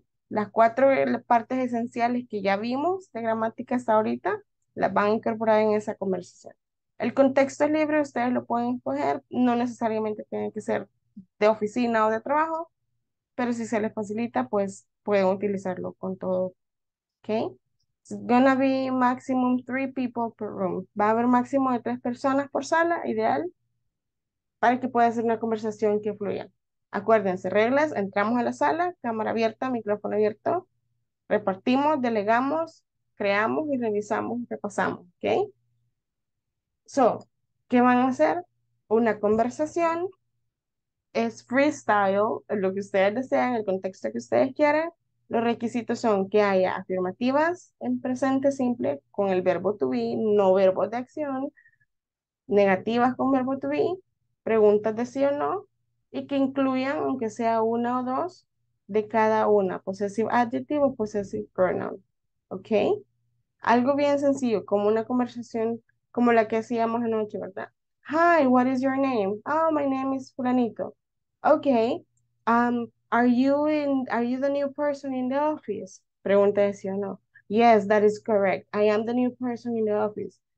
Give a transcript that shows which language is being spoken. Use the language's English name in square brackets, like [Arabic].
[Spanish] Las cuatro partes esenciales que ya vimos de gramática hasta ahorita, las van a incorporar en esa conversación. El contexto es libre, ustedes lo pueden escoger, no necesariamente tiene que ser de oficina o de trabajo, pero si se les facilita, pues pueden utilizarlo con todo. [English] Okay, it's gonna be maximum three people per room. [Spanish] Va a haber máximo de tres personas por sala, ideal, para que pueda ser una conversación que fluya. Acuérdense, reglas, entramos a la sala, cámara abierta, micrófono abierto, repartimos, delegamos, creamos y revisamos, repasamos, okay? So, ¿qué van a hacer? Una conversación, es freestyle, lo que ustedes desean, el contexto que ustedes quieran. Los requisitos son que haya afirmativas en presente simple con el verbo to be, no verbos de acción, negativas con verbo to be, preguntas de sí o no, y que incluyan, aunque sea una o dos, de cada una, possessive adjective o possessive pronoun. ¿Ok? Algo bien sencillo, como una conversación como la que hacíamos anoche, ¿verdad? [English] Hi, what is your name? Oh, my name is Fulanito. Ok, are you the new person in the office? [Spanish] Pregunta de sí o no. [English] Yes, that is correct. I am the new person in the office.